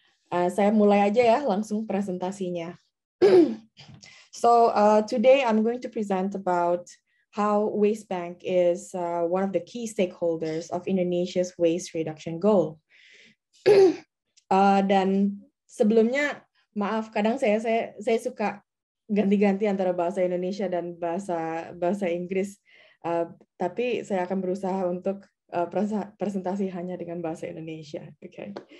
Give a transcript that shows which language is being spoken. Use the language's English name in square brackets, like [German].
[Indonesian] Saya mulai aja ya langsung presentasinya. [English] So today I'm going to present about how Waste Bank is one of the key stakeholders of Indonesia's waste reduction goal. [Indonesian] dan sebelumnya, maaf, kadang saya suka ganti-ganti antara bahasa Indonesia dan bahasa Inggris. Tapi saya akan berusaha untuk presentasi hanya dengan bahasa Indonesia. Okay.